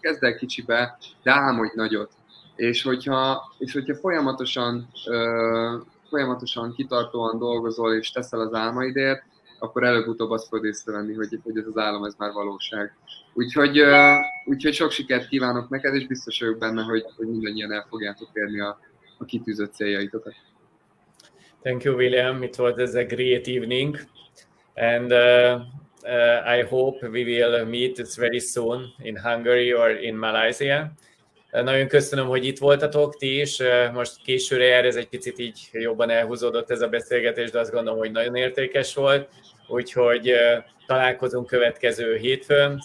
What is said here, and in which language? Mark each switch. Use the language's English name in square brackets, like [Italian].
[Hungarian] Kezd el kicsibe, de álmodj nagyot. És hogyha folyamatosan kitartóan dolgozol és teszel az álmaidért, akkor előbb-utóbb azt fogod észrevenni, hogy ez az álom, ez már valóság. Úgyhogy sok sikert kívánok neked, és biztos vagyok benne, hogy mindannyian el fogjátok érni a kitűzött céljaitokat. [English] Thank you, William. It was a great evening. And I hope we will meet it very soon in Hungary or in Malaysia. [Hungarian] Nagyon köszönöm, hogy itt voltatok ti is. Most későre jár, ez egy picit így jobban elhúzódott ez a beszélgetés, de azt gondolom, hogy nagyon értékes volt. Úgyhogy találkozunk következő hétfőn.